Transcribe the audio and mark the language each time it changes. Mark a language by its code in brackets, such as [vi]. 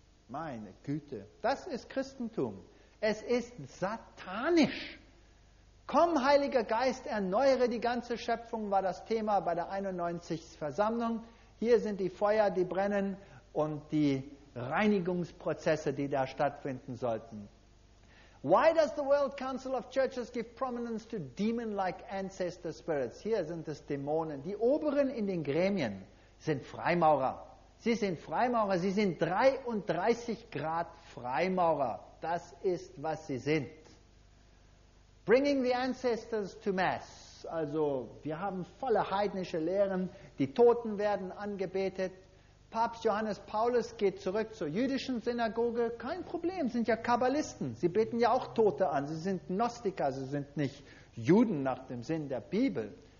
[de] Meine Güte, das ist Christentum. Es ist satanisch. Komm, Heiliger Geist, erneuere die ganze Schöpfung, war das Thema bei der 91. Versammlung. Hier sind die Feuer, die brennen und die Reinigungsprozesse, die da stattfinden sollten. [en] Why does the World Council of Churches give prominence to demon-like ancestor spirits? [de] Hier sind es Dämonen. Die Oberen in den Gremien sind Freimaurer. Sie sind Freimaurer, sie sind 33 Grad Freimaurer. Das ist, was sie sind. [en] Bringing the ancestors to mass. [de] Also, wir haben volle heidnische Lehren. Die Toten werden angebetet. Papst Johannes Paulus geht zurück zur jüdischen Synagoge. Kein Problem, sind ja Kabbalisten. Sie beten ja auch Tote an. Sie sind Gnostiker, sie sind nicht Juden nach dem Sinn der Bibel.